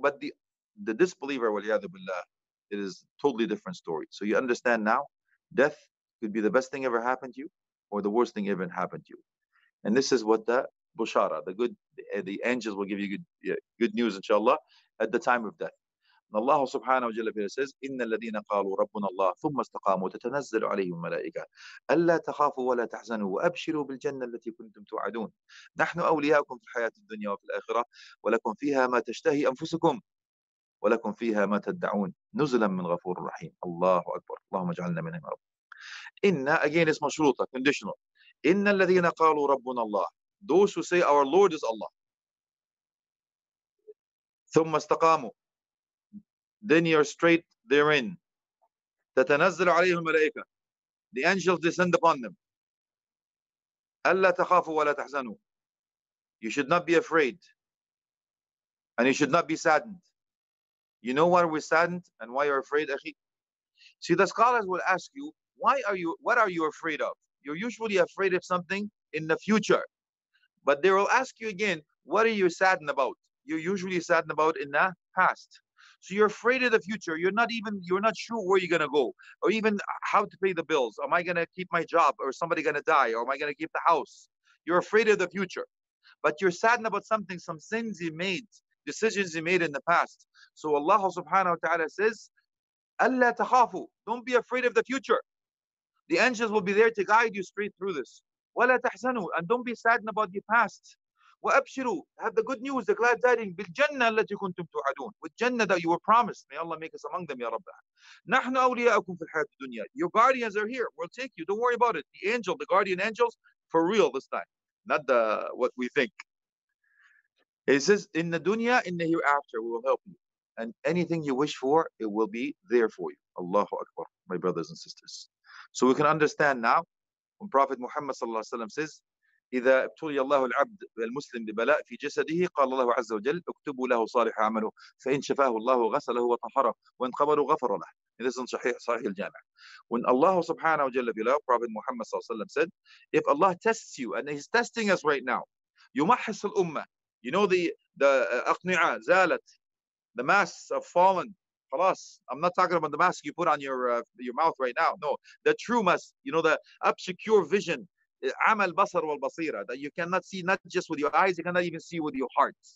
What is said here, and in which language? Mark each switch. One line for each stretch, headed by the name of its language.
English: But the disbeliever, waliyadu billah, it is a totally different story. So you understand now, death could be the best thing ever happened to you or the worst thing ever happened to you. And this is what the bushara, the good, the angels will give you good news, inshallah, at the time of death. Allah subhanahu wa ta'ala says,
Arabic: إِنَّ الَّذِينَ قَالُوا رَبُّنَ اللَّهُ ثُمَّ اسْتَقَامُوا تَتَنَزَّلُ عَلَيْهِمُ الْمَلَائِكَةُ أَلَّا تَخَافُوا وَلَا تَحْزَنُوا وَأَبْشِرُوا بِالْجَنَّةِ الَّتِي كُنْتُمْ تُوعَدُونَ نَحْنُ أَوْلِيَاؤُكُمْ فِي الْحَيَاةِ الدُّنْيَا وَفِي الْآخِرَةِ وَلَكُمْ فِيهَا مَا تَشْتَهِي أَنفُسُكُمْ وَلَكُمْ فِيهَا مَا تَدَّعُونَ نُزُلًا مِنْ غَفُورٍ رَحِيمٍ الله أكبر اللهم اجعلنا منهم يا رب
English: إن again is مشروطة conditional
Arabic: إن الذين قالوا ربنا الله
English: those who say our Lord is Allah
Arabic: ثم استقاموا
English: then you're straight therein.
Arabic: تَتَنَزَّلُ عَلَيْهُمْ مَلَائِكَةٌ
English: the angels descend upon them.
Arabic: أَلَّا تَخَافُوا وَلَا تَحْزَنُوا
English: you should not be afraid. And you should not be saddened. You know why we're saddened and why you're afraid, أخي? See, the scholars will ask you, what are you afraid of? You're usually afraid of something in the future. But they will ask you again, what are you saddened about? You're usually saddened about in the past. So you're afraid of the future. You're not sure where you're going to go or even how to pay the bills. Am I going to keep my job or somebody going to die? Or am I going to keep the house? You're afraid of the future, but you're saddened about something, some sins you made, decisions you made in the past. So Allah subhanahu wa ta'ala says,
Arabic: أَلَّا تَخَافُوا
English: don't be afraid of the future. The angels will be there to guide you straight through this.
Arabic: وَلَا تَحْزَنُوا
English: and don't be saddened about the past. وَأَبْشِرُوا have the good news, the glad tidings
Arabic: بِالْجَنَّةِ الَّتِي كُنْتُمْ تُوعَدُونَ
English: with Jannah that you were promised. May Allah make us among them, Ya Rabbah.
Arabic: نَحْنُ أَوْلِيَاءُكُمْ فِي الْحَيَاةِ الدُّنْيَا
English: your guardians are here. We'll take you. Don't worry about it. The angel, the guardian angels, for real this time. Not the what we think. He says, in the dunya, in the hereafter, we will help you. And anything you wish for, it will be there for you. Allahu Akbar, my brothers and sisters. So we can understand now, when Prophet Muhammad sallallahu alayhi wa sallam says,
Arabic: إذا ابتلي الله العبد المسلم ببلاء في جسده قال الله عز وجل اكتبوا له صالح عمله فإن شفاه الله غسله وطهره وإن قبله غفر له
English: This is in Sahih al-Jami. When Allah subhanahu wa jalla fi law, Prophet Muhammad sallallahu alayhi wa sallam said, if Allah tests you and he's testing us right now,
Arabic: يمحص الأمة,
English: you know the أقنعة, زالت, the masks have fallen, خلاص, I'm not talking about the mask you put on your mouth right now, no, the true mask, you know the obscure vision,
Arabic: عمل بصر والبصيرة
English: that you cannot see not just with your eyes you cannot even see with your heart